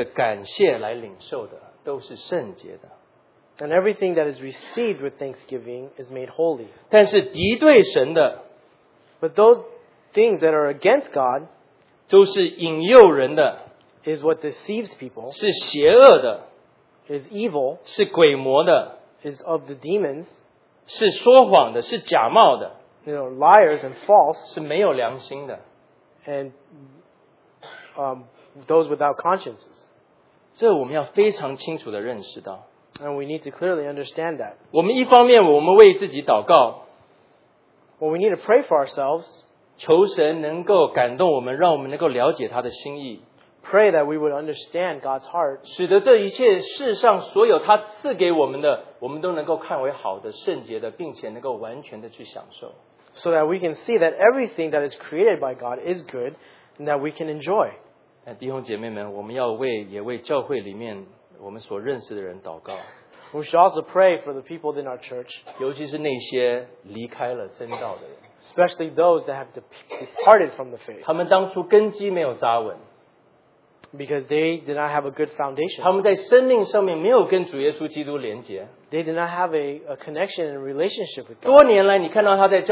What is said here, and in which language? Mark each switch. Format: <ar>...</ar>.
<zh>都是能够借着感谢来领受的，都是圣洁的。</zh> <en>And everything that is received with thanksgiving is made holy.</en> <zh>但是敌对神的,</zh> <en>but those things that are against God,</en> <zh>都是引诱人的,</zh> <en>is what deceives people,</en> <zh>是邪恶的,</zh> <en>is evil,</en> <zh>是鬼魔的,</zh> <en>is of the demons,</en> <zh>是说谎的, 是假冒的,</zh> <en>you know, liars and false,</en> <zh>是没有良心的,</zh> <en>and those without consciences.</en> <zh>这我们要非常清楚地认识到,</zh> <en>and we need to clearly understand that.</en> <zh>我们一方面我们为自己祷告,</zh> <en>well, we need to pray for ourselves,</en> <zh>求神能够感动我们, 让我们能够了解他的心意,</zh> <en>pray that we would understand God's heart,</en> <zh>使得这一切世上所有他赐给我们的, 我们都能够看为好的,圣洁的,并且能够完全的去享受,</zh> <en>so that we can see that everything that is created by God is good and that we can enjoy.</en> <zh>弟兄姐妹们,我们要为,也为教会里面我们所认识的人祷告。</zh> <en>We should also pray for the people in our church,</en> <zh>尤其是那些离开了真道的人,</zh> <en>especially those that have departed from the faith.</en> <zh>他们当初根基没有扎稳,</zh> <en>because they did not have a good foundation.</en> <zh>他们在生命上面没有跟主耶稣基督连结。</zh> <en>They did not have a connection and relationship with God.</en>